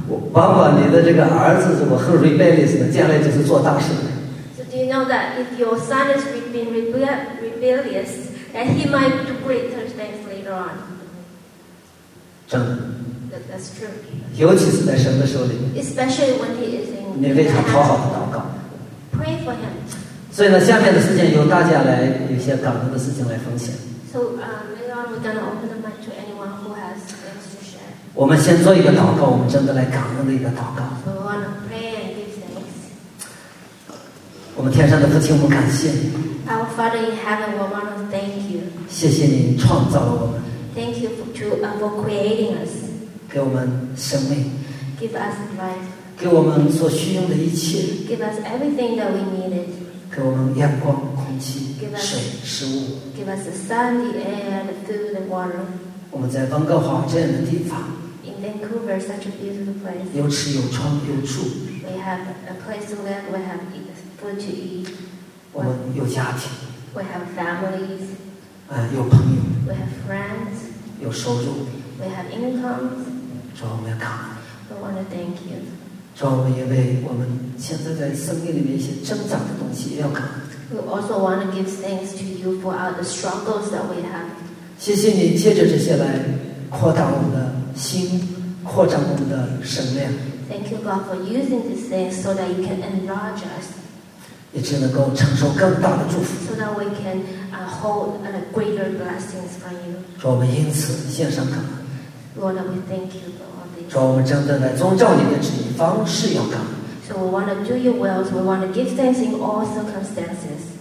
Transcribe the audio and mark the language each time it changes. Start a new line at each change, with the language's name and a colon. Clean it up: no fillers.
Chinese: 往往你的这个儿子如果很 rebellious 的，将来就是做大事的。
English: So do you know that if your son is being rebellious, that he might do greater things later on?
Chinese: 真的。
English: That's true.
Chinese: 尤其是在神的手里面。
English: Especially when he is in.
Chinese: 你为他好好的祷告。
English: Pray for him.
Chinese: 所以呢，下面的时间由大家来有些感恩的事情来分享。
English: So later on, we're gonna open the mic to anyone who has things to share.
Chinese: 我们先做一个祷告，我们真的来感恩的一个祷告。
English: So、we wanna pray and give thanks.
Chinese: 我们天上的父亲，我们感谢你。
English: Our Father in heaven, we want to thank you.
Chinese: 谢谢你创造了我们。
English: Thank you for creating us.
Chinese: 给我们生命。
English: Give us life.
Chinese: 给我们所需用的一切。
English: Give us everything that we needed.
Chinese: 给我们阳光、空气、水、食物。
English: Give us the sun, the air, the food, the water.
Chinese: 我们在温哥华这样的地方。
English: In Vancouver, such a beautiful place.
Chinese: 有吃有穿有住。
English: We have a place to live. We have food to eat.
Chinese: 我们有家庭
English: We have families、
Chinese: 有朋友
English: We have friends
Chinese: 有收入
English: We have income
Chinese: 主我们要感恩
English: We want to thank you
Chinese: 主我们也为我们现在在生命里面一些挣扎的东西也要感恩
English: We also want to give thanks to you for all the struggles that we have
Chinese: 谢谢你借着这些来扩大我们的心扩展我们的生命
English: Thank you God for using these things so that you can enlarge us
Chinese: 也只能够承受更大的祝福。
English: So that we can hold greater blessings from you.
Chinese: 主，我们因此献上感恩。
English: Lord, we thank you for all this.
Chinese: 主，我们真的来遵照你的旨意方式要感恩。
English: So we want to do your will. So we want to give thanks in all circumstances.